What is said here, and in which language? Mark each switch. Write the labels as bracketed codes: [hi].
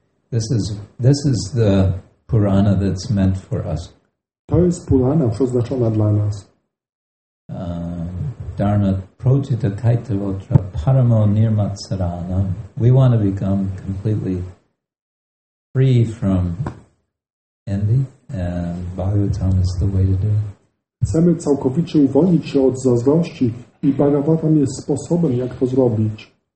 [en] This is the Purana that's meant for us. [pl] To jest Purana przeznaczona dla nas. [sa] Dharma prochita kaitavotra paramo nirmatsarana. [en] We want to become completely free from envy, and Bhagavatam is the way to do it. [pl] Chcemy całkowicie uwolnić się od zazdrości i Bhagavatam jest sposobem, jak to zrobić.